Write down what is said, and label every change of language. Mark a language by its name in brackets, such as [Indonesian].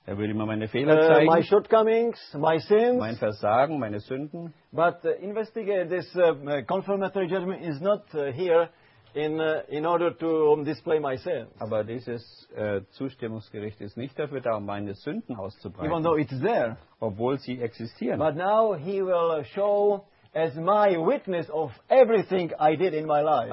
[German] Er würde mir meine Fehler zeigen. [English] My shortcomings, my sins. [German] Mein Versagen, meine Sünden. [English] But investigate this confirmatory judgment is not here in order to display my sins. [German] Aber dieses Zustimmungsgericht ist nicht dafür da, um meine Sünden auszubreiten. [English] Even though it's there. [German] Obwohl sie existieren. [English] But now he will show as my witness of everything I did in my life.